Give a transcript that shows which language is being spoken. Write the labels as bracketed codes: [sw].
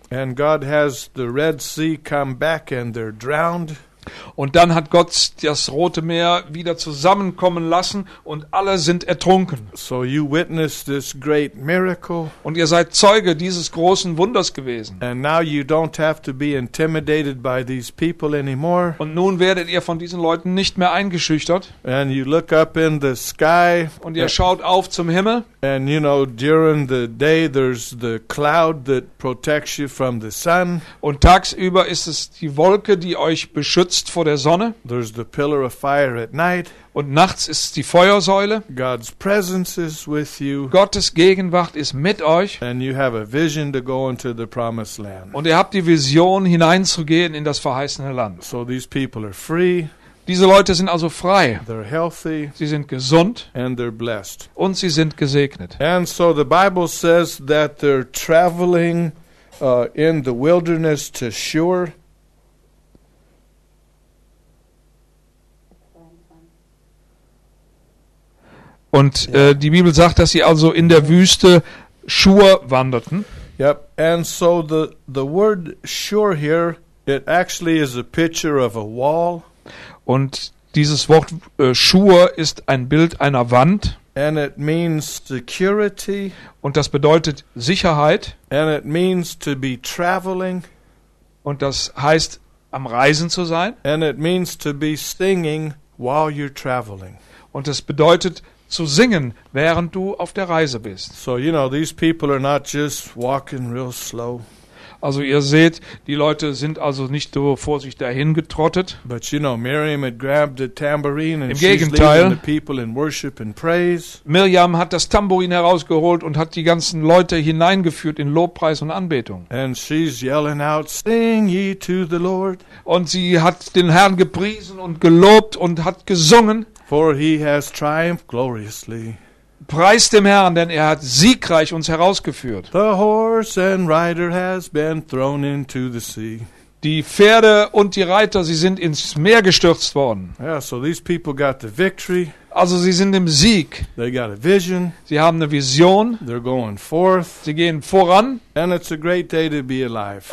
[en] And God has the Red Sea come back and they're drowned. [de] Und dann hat Gott das Rote Meer wieder zusammenkommen lassen und alle sind ertrunken. [en] So you witnessed this great miracle. [de] Und ihr seid Zeuge dieses großen Wunders gewesen. [en] And now you don't have to be intimidated by these people anymore. [de] Und nun werdet ihr von diesen Leuten nicht mehr eingeschüchtert. [en] And you look up in the sky. [de] Und ihr schaut auf zum Himmel. [en] And you know, during the day there's the cloud that protects you from the sun. [de] Und tagsüber ist es die Wolke, die euch beschützt vor der Sonne. [en] There's the pillar of fire at night. [de] Und nachts ist die Feuersäule. [en] God's presence is with you. [de] Gottes Gegenwart ist mit euch. [en] And you have a vision to go into the promised land. [de] Und ihr habt die Vision, hineinzugehen in das verheißene Land. [en] So these people are free. [de] Diese Leute sind also frei. [en] They're healthy. [de] Sie sind gesund. [en] And they're blessed. [de] Und sie sind gesegnet. [en] And so the Bible says that they're traveling in the wilderness to Shur. [de] Und die Bibel sagt, dass sie also in der Wüste Shur wanderten. [en] Yep. And so the word Shur here, it actually is a picture of a wall. [de] Und dieses Wort Shur ist ein Bild einer Wand. [en] And it means security. [de] Und das bedeutet Sicherheit. [en] And it means to be traveling. [de] Und das heißt, am Reisen zu sein. [en] And it means to be singing while you're traveling. [de] Und das bedeutet zu singen, während du auf der Reise bist. [en] So, you know, these people are not just walking real slow. [de] Also ihr seht, die Leute sind also nicht so vor sich dahin getrottet. [en] But you know, Miriam had grabbed a tambourine and [de] im Gegenteil, [en] the people in worship and praise. [de] Miriam hat das Tambourin herausgeholt und hat die ganzen Leute hineingeführt in Lobpreis und Anbetung. [en] And she's yelling out, sing ye to the Lord. [de] Und sie hat den Herrn gepriesen und gelobt und hat gesungen. [en] For he has triumphed gloriously. [de] Preis dem Herrn, denn er hat siegreich uns herausgeführt. [en] The horse and rider has been thrown into the sea. [de] Die Pferde und die Reiter, sie sind ins Meer gestürzt worden. [en] Yeah, so these people got the victory. [de] Also sie sind im Sieg. [en] They got a vision. [de] Sie haben eine Vision. [en] They're going forth. [de] Sie gehen voran. [en] And it's a great day to be alive.